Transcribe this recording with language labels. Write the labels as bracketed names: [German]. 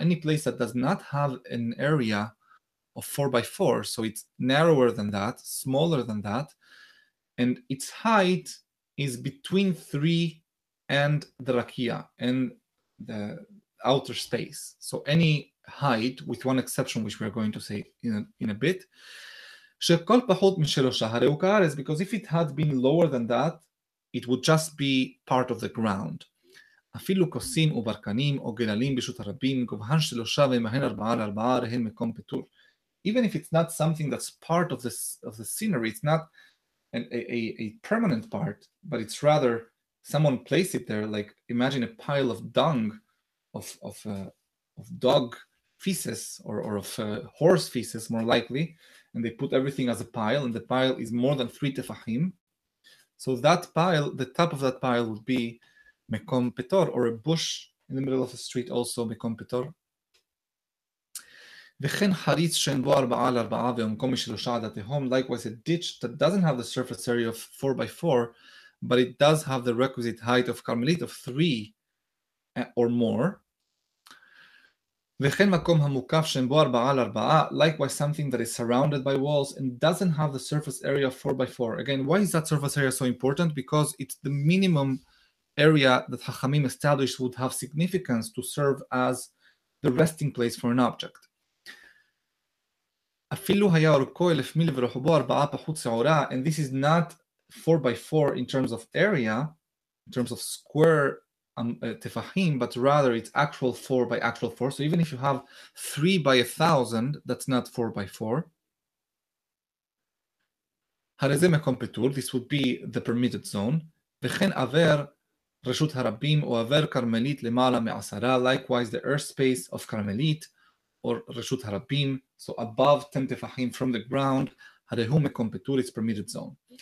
[English] Any place that does not have an area of 4x4, so it's narrower than that, smaller than that, and its height is between 3 and the rakia, and the outer space. So any height, with one exception, which we're going to say in a bit, because if it had been lower than that, it would just be part of the ground. [Hebrew] אפילו כוסים וברקנים או גללים בשוט הרבים, גובהן שלושה ומהן ארבעה לארבעה, הרהן מקום פטור. [English] Even if it's not something that's part of the scenery, it's not a permanent part, but it's rather someone placed it there, like imagine a pile of dung, of dog feces or of horse feces more likely, and they put everything as a pile, and the pile is more than three tefachim. So that pile, the top of that pile would be mekom petor, or a bush in the middle of the street also mekom petor. [Hebrew] וכן חריץ שאין בו ארבעה לארבעה ועומקו משלושה עד התהום. [English] Likewise, a ditch that doesn't have the surface area of 4x4, but it does have the requisite height of carmelite of 3 or more. [Hebrew] וכן מקום המוקף שאין בו ארבעה לארבעה. [English] Likewise, something that is surrounded by walls and doesn't have the surface area of 4x4. Again, why is that surface area so important? Because it's the minimum area that Hachamim established would have significance to serve as the resting place for an object. [Hebrew] אפילו היה אורכו 1,000 מיל ורוחבו ארבעה פחות שעורה, [English] and this is not 4x4 in terms of area, in terms of square tefahim, but rather it's actual 4x4. So even if you have 3x1,000, that's not 4x4. [Hebrew] הרי זה מקום פטור, [English] this would be the permitted zone, [Hebrew] וכן עבר רשות הרבים או עבר קרמלית למעלה מעשרה, [English] likewise the earth space of קרמלית, or Reshut Harabim, so above 10 tefahim from the ground, [Hebrew] Harehu Mekom Petur, [English] its permitted zone.